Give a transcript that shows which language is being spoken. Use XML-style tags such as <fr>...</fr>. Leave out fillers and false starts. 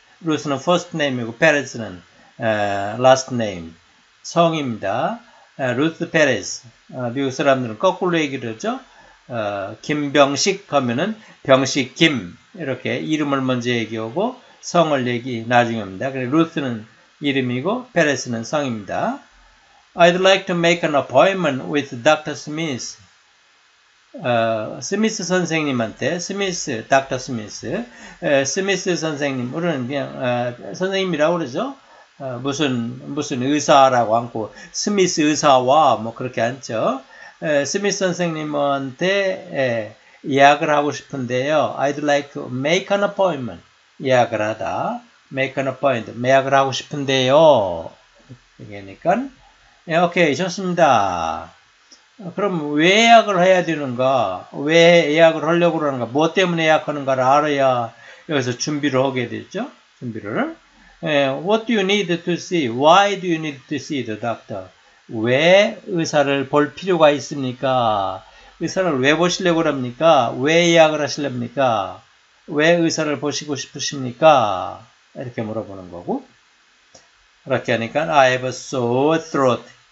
<ko>루스는 first name이고 Perez는 last name, 성입니다.</ko> <en>Ruth Perez.</en> <ko>미국 사람들은 거꾸로 얘기를 하죠. 김병식 하면은 병식 김 이렇게 이름을 먼저 얘기하고 성을 얘기 나중에 합니다. 그래서 루스는 이름이고 Perez는 성입니다.</ko> <en>I'd like to make an appointment with Dr. Smith.</en> <ko>스미스 선생님한테, 스미스, 닥터 스미스. 스미스 선생님, 우리는 그냥 선생님이라고 그러죠. 무슨 의사라고 안고 스미스 의사와 뭐 그렇게 앉죠. 스미스 선생님한테 예약을 하고 싶은데요.</ko> <en>I'd like to make an appointment.</en> <ko>예약을 하다.</ko> <en>Make an appointment.</en> <ko>예약을 하고 싶은데요. 얘기하니까. 예, 오케이, 좋습니다. 그럼 왜 예약을 해야 되는가? 왜 예약을 하려고 그러는가? 무엇 때문에 예약하는가를 알아야 여기서 준비를 하게 되죠? 준비를. 예,</ko> <en>what do you need to see? Why do you need to see the doctor?</en> <ko>왜 의사를 볼 필요가 있습니까? 의사를 왜 보시려고 합니까? 왜 예약을 하시렵니까? 왜 의사를 보시고 싶으십니까? 이렇게 물어보는 거고. 그렇게 하니까</ko> <en>I have a sore throat.</en>